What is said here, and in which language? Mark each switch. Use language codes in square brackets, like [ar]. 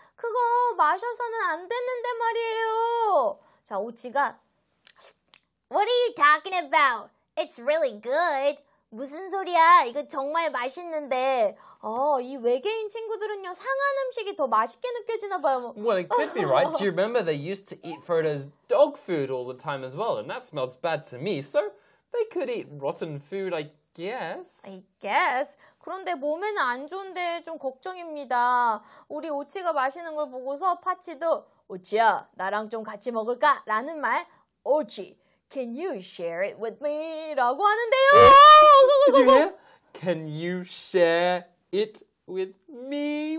[ko] 그거 마셔서는 안 됐는데 말이에요. 자, 오치가 [en] What are you talking about? It's really good. [ko] 무슨 소리야? 이거 정말 맛있는데. 이 외계인 친구들은요, 상한 음식이 더 맛있게 느껴지나 봐요. [en] Well, it could be, right? Do you remember they used to eat Frodo's dog food all the time as well? And that smells bad to me. So they could eat rotten food, I guess. I guess. [ko] 그런데 몸에는 안 좋은데 좀 걱정입니다. 우리 오치가 마시는 걸 보고서 파치도 오치야, 나랑 좀 같이 먹을까? 라는 말, 오치. [en] Can you share it with me? [ko] 라고 하는데요. [en] Did you hear? Can you share it with me?